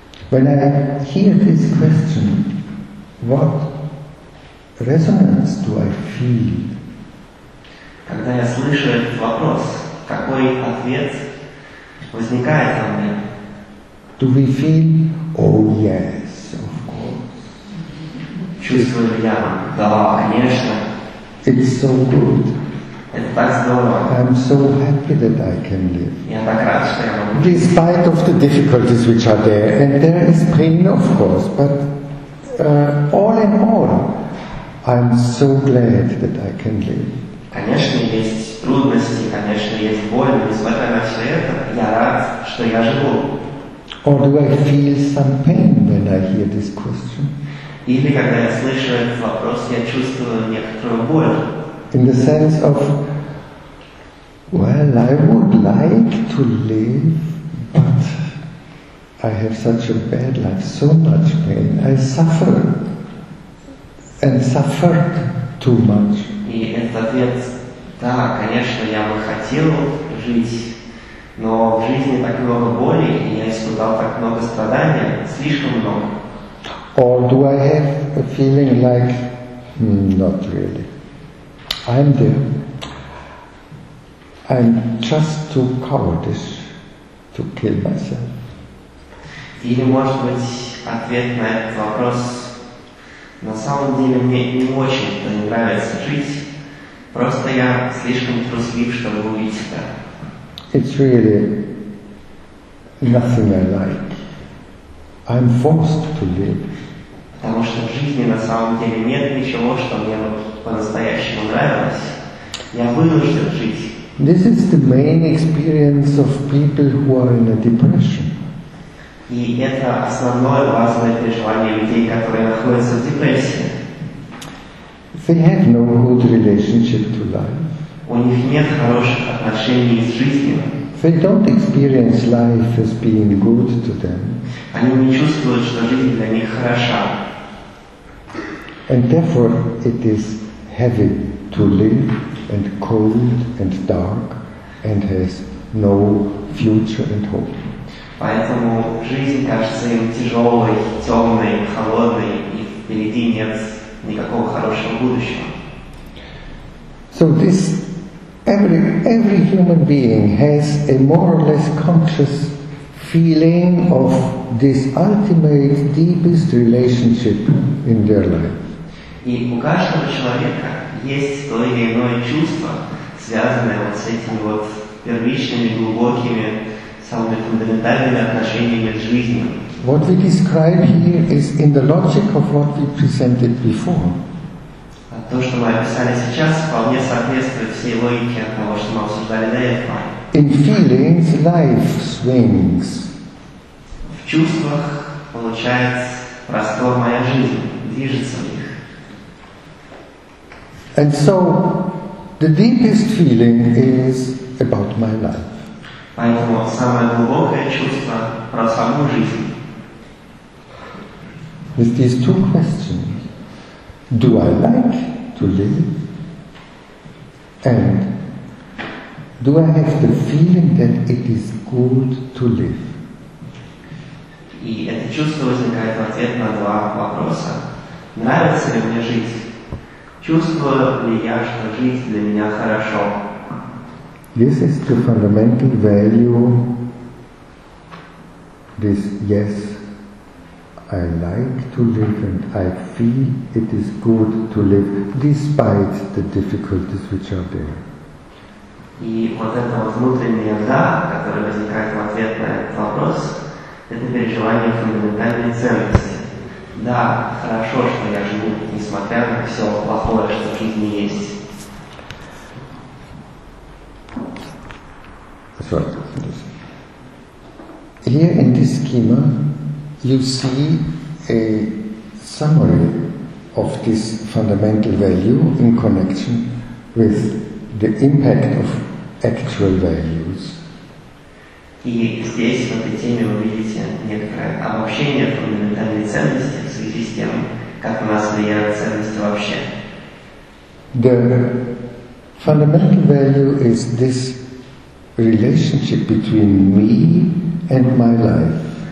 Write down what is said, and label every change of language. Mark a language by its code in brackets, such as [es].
[en] When I hear this question, what resonance do I feel? [ru] Когда я слышу этот вопрос, какой ответ возникает во мне? [en] Do we feel? Oh yes, of course. [ru] Чувствую ли я? Да, конечно. [en] It's so good. [ru] Это так здорово. [en] I'm so happy that I can live. [ru] Я так рад, что я могу. [en] Despite of the difficulties which are there, and there is pain, of course, but all in all, I'm so glad that I can live. [ru] Конечно, есть трудности, конечно, есть боль, несмотря на все это, я рад, что я живу. [en] Or do I feel some pain when I hear this question? [ru] Или когда я слышу этот вопрос, я чувствую некоторую боль. [en] In the sense of, well, I would like to live, but I have such a bad life, so much pain. I suffer and suffered too much. [ru] И этот ответ, да, конечно, я бы хотел жить, но в жизни так много боли, и я испытал так много страданий, слишком много. [en] Or do I have a feeling like, not really. I'm there. I'm just too cowardice to kill myself. [ru] Или, может быть, ответ на этот вопрос. На самом деле, мне не очень-то не нравится жить. Просто я слишком труслив, чтобы убить себя. [en] It's really nothing I like. I'm forced to live. [ru] Потому что в жизни на самом деле нет ничего, что мне по-настоящему нравилось. Я вынужден жить. [en] This is the main experience of people who are in a depression. [ru] И это основное важное переживание людей, которые находятся в депрессии. [en] They have no good relationship to life. [ru] У них нет хороших отношений с жизнью. [en] They don't experience life as being good to them. [ru] Они не чувствуют, что жизнь для них хороша. [en] And therefore it is heavy to live and cold and dark and has no future and hope. [ru] Поэтому жизнь кажется им тяжелой, темной, холодной, и впереди нет никакого хорошего будущего. [en] So this every human being has a more or less conscious feeling of this ultimate deepest relationship in their life. [ru] И у каждого человека есть то или иное чувство, связанное вот с этими вот первичными, глубокими, самыми фундаментальными отношениями к жизни. [en] What we describe here is in the logic of what we presented before. [ru] То, что мы описали сейчас, вполне соответствует всей логике того, что мы обсуждали до этого. [en] In feelings, life swings. [ru] В чувствах получается простор моя жизнь, движется в них. [en] And so, the deepest feeling is about my life. [ru] Поэтому самое глубокое чувство про саму жизнь. [en] With these two questions, do I like to live? And do I have the feeling that it is good to live? [ru] И это чувство возникает в ответ на два вопроса. Нравится ли мне жизнь? Чувствую ли я, что жизнь для меня хорошо? [en] This is the fundamental value, this yes. I like to live and I feel it is good to live despite the difficulties which are there. [ru] И вот это вот внутреннее «да», которое возникает в ответ на этот вопрос, это переживание фундаментальной ценности. Да, хорошо, что я живу, несмотря на все плохое, что в жизни есть. [en] Sorry. Here in this schema, you see a summary of this fundamental value in connection with the impact of actual values. [ru] И здесь в этой теме вы видите некоторое обобщение фундаментальной ценности в связи с тем, как у нас влияют ценности вообще. [en] The fundamental value is this relationship between me and my life.